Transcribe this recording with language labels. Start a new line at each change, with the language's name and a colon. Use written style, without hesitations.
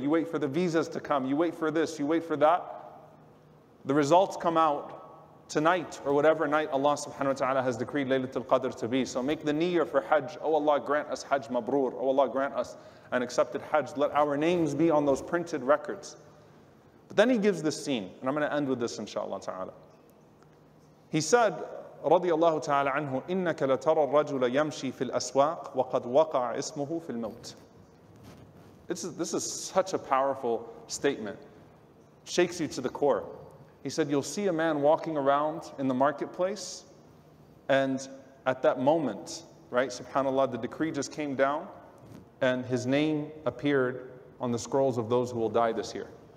English: You wait for the visas to come. You wait for this. You wait for that. The results come out tonight or whatever night Allah subhanahu wa ta'ala has decreed Laylatul Qadr to be. So make the niyyah for Hajj. Oh Allah, grant us Hajj mabrur. Oh Allah, grant us an accepted Hajj. Let our names be on those printed records. But then he gives this scene, and I'm going to end with this inshallah ta'ala. He said, radiyallahu ta'ala anhu,
Arabic: إِنَّكَ لَتَرَى الرَّجُلَ يَمْشِي فِي الْأَسْوَاقِ وَقَدْ وَقَعَ إِسْمُهُ فِي الْمَوْتِ.
English: This is such a powerful statement. It shakes you to the core. He said, you'll see a man walking around in the marketplace, and at that moment, right, subhanAllah, the decree just came down, and his name appeared on the scrolls of those who will die this year.